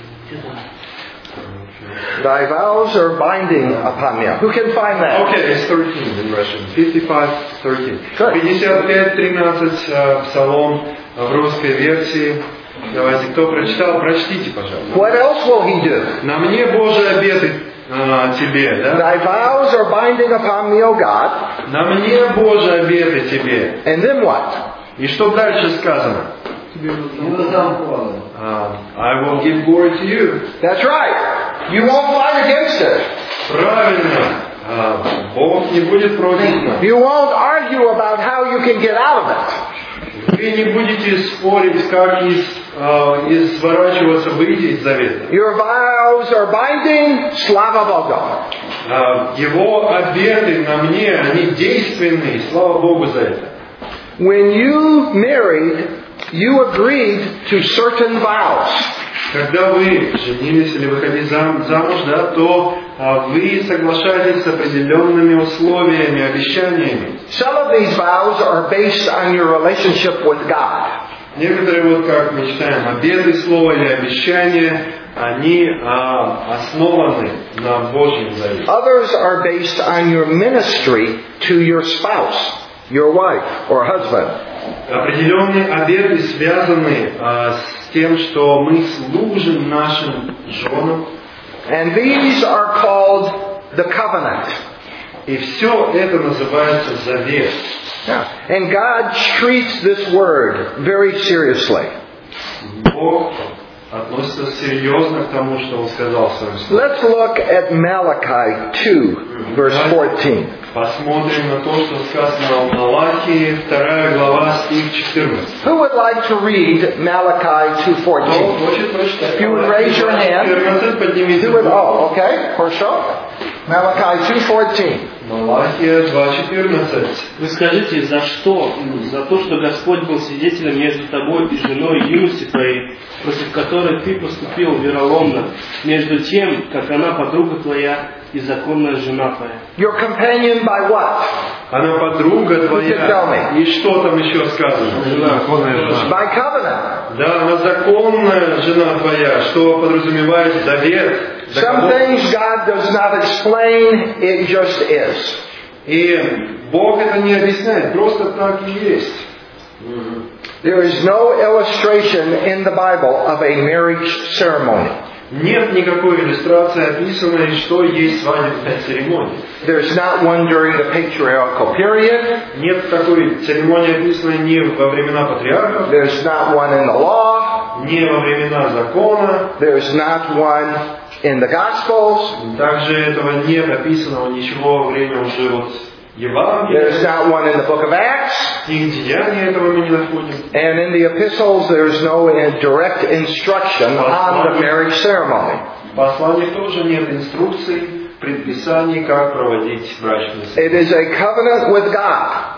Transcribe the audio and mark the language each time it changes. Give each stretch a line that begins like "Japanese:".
English: Thy vows are binding upon me. Who can find that? Okay, it's 13 in Russian. 55:13.
Russian: 55:13, Psalm, в русской версии. Давайте, кто прочитал, прочтите, пожалуйста.
English: What else will he do?
Russian: На мне Божие обеты тебе, да?
English: Thy vows are binding upon me, O God.
Russian: На мне Божие обеты тебе.
English: And then what?
Russian: И что дальше сказано?
English: I will give glory to you. That's right. You won't fight against it.
Russian: Правильно. Бог не будет против нас.
English: You won't argue about how you can get out of it.
Russian: Вы не будете спорить, как изворачиваться, выйти из завета.
English: Your vows are binding,
Russian: слава Богу. Его обеты на мне, они действенны, слава Богу за это.
English: When you married, you agreed to certain vows.
Russian: Когда вы женились или выходили замуж, да, то вы соглашаетесь с определенными условиями, обещаниями.
English: Some of these vows are based on your relationship with God.
Russian: Некоторые вот как мы читаем, обеты, слова или обещания, они основаны на Божьем завете.
English: Others are based on your ministry to your spouse, your wife or husband.
Russian: Определенные обеты связаны с тем, что мы служим нашим женам.
English: And these are called the covenant.
Russian: И все это называется завет.
English: Yeah. And God treats this word very seriously.
Russian: Бог относится серьезно к тому, что Он сказал в своем слове.
English: Let's look at Malachi 2, verse 14.
Russian: Посмотрим на то, что сказано в Малахии, 2 глава, стих 14.
English: Who would like to read Malachi 2:14?
Russian: Кто хочет прочитать?
English: If you would raise your hand.
Russian: 14, поднимите руку.
English: Oh, okay,
Russian: хорошо.
English: Malachi 2:14.
Russian: Малахия 2:14. Вы скажите, за что? За то, что Господь был свидетелем между тобой и женой юности твоей, против которой ты поступил вероломно, между тем, как она подруга твоя и законная жена твоя.
English: Your companion by what?
Russian: Она подруга твоя. И что там еще сказано? Законная жена.
English: By covenant.
Russian: Да, она законная жена твоя, что подразумевает завет.
English: Some things God does not explain, it just is.
Russian: И Бог это не объясняет, просто так и есть.
English: There is no illustration in the Bible of a marriage ceremony.
Russian: Нет никакой иллюстрации, описанной, что есть свадебная церемония.
English: There's not one during the patriarchal period.
Russian: Нет такой церемонии, описанной не во времена патриархов.
English: There's not one in the law.
Russian: Не во времена закона.
English: There's not one in the Gospels.
Russian: Также этого нет описанного ничего во время уже вот Евангелия.
English: There's not one in the book of Acts.
Russian: Нигде Деяния этого мы не находим.
English: And in the epistles there's no direct instruction on the marriage ceremony.
Russian: В посланиях тоже нет инструкции, предписаний, как проводить брачные церемонии.
English: It is a covenant with God.